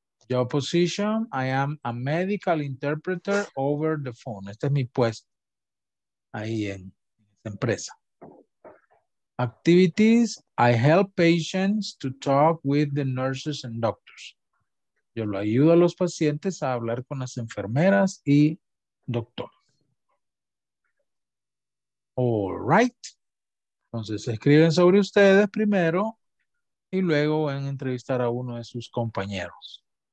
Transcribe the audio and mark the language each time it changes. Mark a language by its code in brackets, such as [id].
[en] Job position, I am a medical interpreter over the phone. [es] Este es mi puesto ahí en esta empresa. [en] Activities, I help patients to talk with the nurses and doctors. [es] Yo lo ayudo a los pacientes a hablar con las enfermeras y doctores. [en] All right. [es] Entonces, escriben sobre ustedes primero y luego van a entrevistar a uno de sus compañeros.